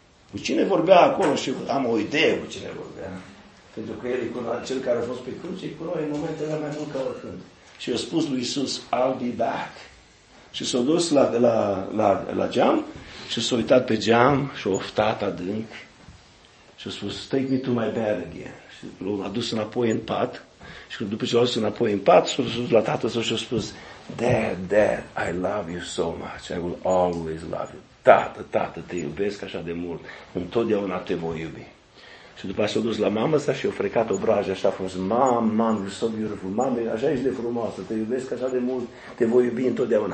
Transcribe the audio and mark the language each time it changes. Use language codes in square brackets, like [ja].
[ro] Cu cine vorbea acolo și am o idee cu cine vorbea. Pentru că el e cel care a fost pe cruce, cu noi în momentele alea mai mult ca oricând. Și a spus lui Iisus, [en] I'll be back. [ro] Și s-a dus la geam și s-a uitat pe geam și a oftat adânc. Și a spus, [en] take me to my bed again. [ro] Și l-a dus înapoi în pat. Și după ce l-a dus înapoi în pat, s-a dus la tatăl său și a spus, [en] Dad, I love you so much. I will always love you. [ro] Tată, te iubesc așa de mult. Întotdeauna te voi iubi. Și după aceea s-a dus la mamă sa și a frecat obraje așa, a fost, [en] Mam, you're so beautiful, [ro] mame, așa ești de frumoasă, te iubesc așa de mult, te voi iubi întotdeauna.